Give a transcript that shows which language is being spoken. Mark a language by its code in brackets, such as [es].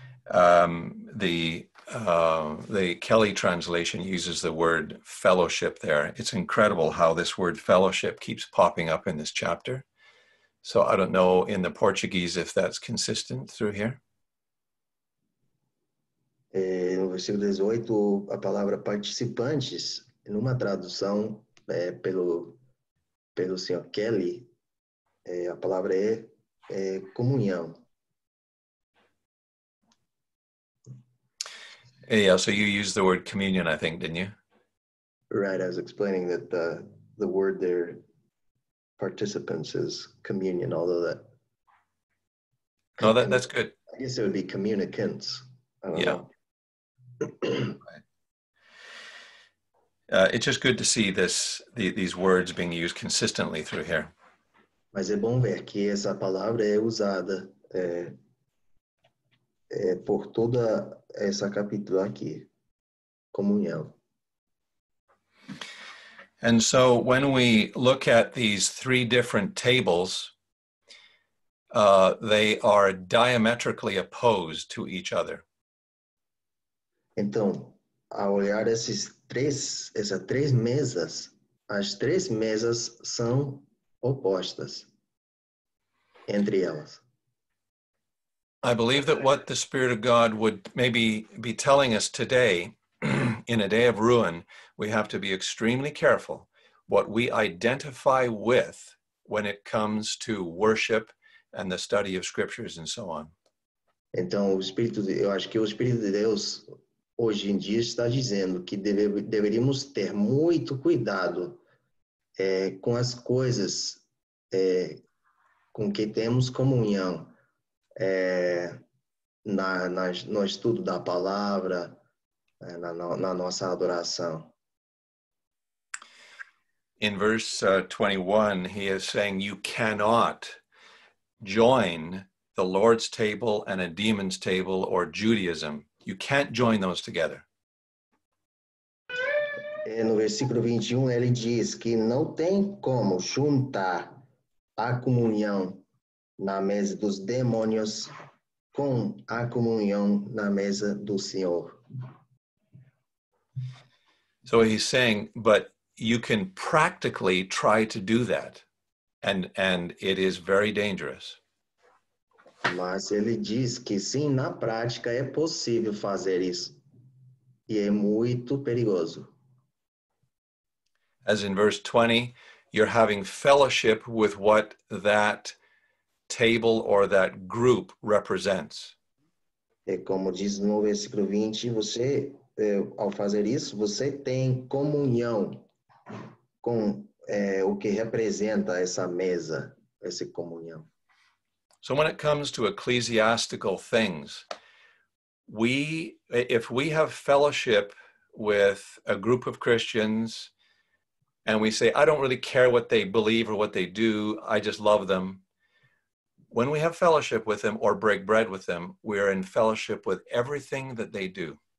[en] The Kelly translation uses the word fellowship there. It's incredible how this word fellowship keeps popping up in this chapter. So I don't know in the Portuguese if that's consistent through here. [pt] No versículo 18, a palavra participantes, numa tradução pelo senhor Kelly, a palavra é comunhão. [en] Yeah, so you used the word communion, I think, didn't you? Right, I was explaining that the word there, participants, is communion, although that... No, that's good. I guess it would be communicants. I don't know. It's just good to see these words being used consistently through here. [pt] Mas é bom ver que essa palavra é usada por toda essa capítulo aqui, comunhão. [en] And so when we look at these three different tables, they are diametrically opposed to each other. [pt] Então, ao olhar essas três mesas, as três mesas são opostas entre elas. [en] I believe that what the Spirit of God would maybe be telling us today, in a day of ruin, we have to be extremely careful what we identify with when it comes to worship and the study of scriptures and so on. [pt] Então, eu acho que o Espírito de Deus hoje em dia está dizendo que deveríamos ter muito cuidado com as coisas com que temos comunhão no estudo da palavra, na nossa adoração. [en] In verse 21, he is saying you cannot join the Lord's table and a demon's table or Judaism. You can't join those together. [pt] No versículo 21, ele diz que não tem como juntar a comunhão na mesa dos demônios com a comunhão na mesa do Senhor. [en] So he's saying, but you can practically try to do that, and it is very dangerous. [pt] Mas ele diz que sim, na prática é possível fazer isso, e é muito perigoso. [en] As in verse 20, you're having fellowship with what that table or that group represents. [pt] É como diz no versículo 20, você, ao fazer isso, você tem comunhão com o que representa essa mesa, essa comunhão. [en] So when it comes to ecclesiastical things, if we have fellowship with a group of Christians and we say, I don't really care what they believe or what they do, I just love them. When we have fellowship with them or break bread with them, we are in fellowship with everything that they do.